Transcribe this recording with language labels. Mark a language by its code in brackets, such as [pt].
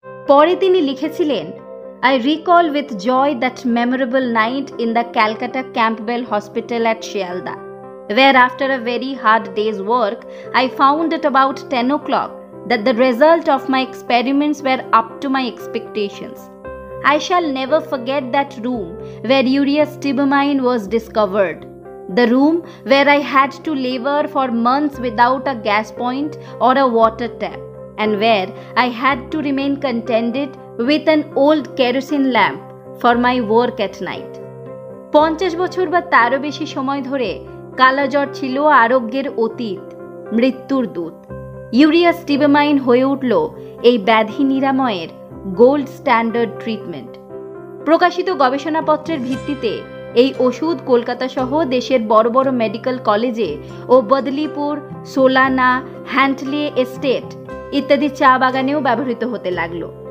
[bn] পরে তিনি লিখেছিলেন, [en] I recall with joy that memorable night in the Calcutta Campbell hospital at Sealdah, where after a very hard day's work I found at about ১০:০০ that the result of my experiments were up to my expectations. I shall never forget that room where urea stibamine was discovered. The room where I had to labor for months without a gas point or a water tap, and where I had to remain contented with an old kerosene lamp for my work at night. [bn] 50 বছর বা তারও বেশি সময় ধরে কালাজ্বর ছিল আরোগ্যের অতীত, মৃত্যুর দূত। ইউরিয়া স্টিবামাইন হয়ে উঠল এই ব্যাধি নিরাময়ের গোল্ড স্ট্যান্ডার্ড ট্রিটমেন্ট। প্রকাশিত গবেষণাপত্রের ভিত্তিতে এই ওষুধ কলকাতা সহ দেশের বড় বড় মেডিকেল কলেজে ও বদলিপুর, সোলানা, হ্যান্ডলে এস্টেট ইত্যাদি চা বাগানেও ব্যবহৃত হতে লাগল।